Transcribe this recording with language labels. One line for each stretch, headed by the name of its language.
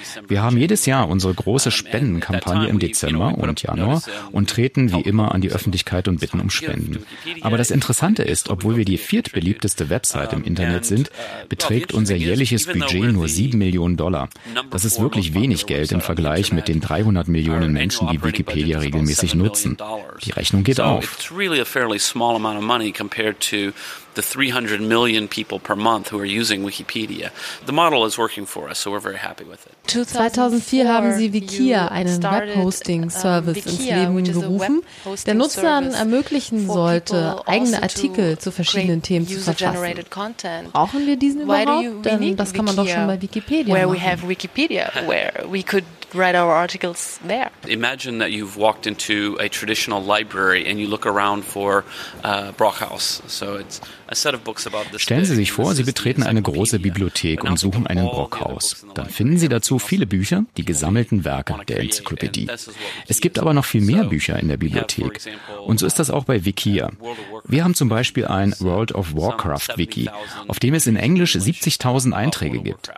German: Wir haben jedes Jahr unsere große Spendenkampagne im Dezember und Januar und treten wie immer an die Öffentlichkeit und bitten um Spenden. Aber das Interessante ist, obwohl wir die viertbeliebteste Webseite im Internet sind, beträgt unser jährliches Budget nur $7 Millionen. Das ist wirklich wenig Geld im Vergleich mit den 300 Millionen Menschen, die Wikipedia regelmäßig nutzen. Die Rechnung geht auf.
English: Compared to the 300 million people per month who are using Wikipedia. The model is working for us, so we're very happy with it.
German: 2004 haben Sie Wikia, einen Webhosting-Service, ins Leben gerufen, der Nutzern ermöglichen sollte, eigene Artikel zu verschiedenen Themen zu verfassen. Brauchen wir diesen überhaupt? Denn das kann man doch schon bei Wikipedia machen.
English: Where we have Wikipedia, where we could write our articles there. Imagine that you've walked into a traditional library and you look around for Brockhaus. So it's
German: Stellen Sie sich vor, Sie betreten eine große Bibliothek und suchen einen Brockhaus. Dann finden Sie dazu viele Bücher, die gesammelten Werke der Enzyklopädie. Es gibt aber noch viel mehr Bücher in der Bibliothek. Und so ist das auch bei Wikia. Wir haben zum Beispiel ein World of Warcraft-Wiki, auf dem es in Englisch 70.000 Einträge gibt.